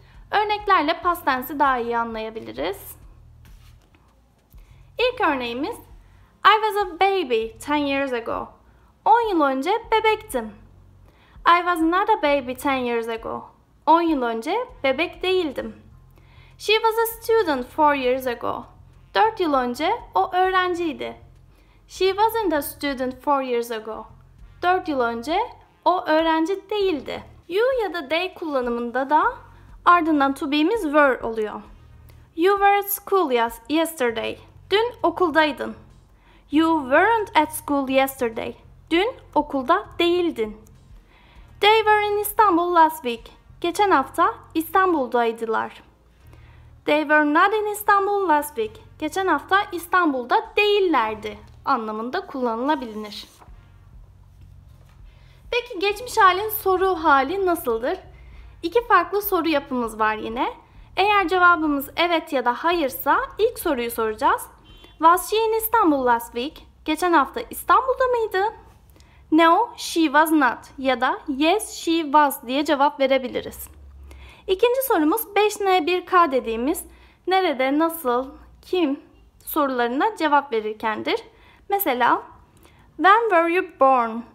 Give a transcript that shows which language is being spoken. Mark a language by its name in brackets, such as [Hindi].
[Turkish] Örneklerle past tense'i daha iyi anlayabiliriz. İlk örneğimiz [English] I was a baby 10 years ago. [Turkish] 10 yıl önce bebektim. [English] I was not a baby 10 years ago. [Turkish] 10 yıl önce bebek değildim. [English] She was a student 4 years ago. [Turkish] 4 yıl önce o öğrenciydi. [English] She wasn't a student 4 years ago. [Turkish] 4 yıl önce o öğrenci değildi. You ya da they kullanımında da ardından to be'miz were oluyor. [English] You were at school yesterday. [Turkish] Dün okuldaydın. [English] You weren't at school yesterday. [Turkish] Dün okulda değildin. [English] They were in Istanbul last week. [Turkish] Geçen hafta İstanbul'daydılar. [English] They were not in Istanbul last week. [Turkish] Geçen hafta İstanbul'da değillerdi anlamında kullanılabilir. Peki geçmiş halin soru hali nasıldır? İki farklı soru yapımız var yine. Eğer cevabımız evet ya da hayırsa ilk soruyu soracağız. [English] Was she in Istanbul last week? [Turkish] Geçen hafta İstanbul'da mıydı? [English] No, she was not. [Turkish] Ya da [English] yes, she was [Turkish] diye cevap verebiliriz. İkinci sorumuz 5N1K dediğimiz nerede, nasıl, kim sorularına cevap verirkendir. [English] Mesela, when were you born?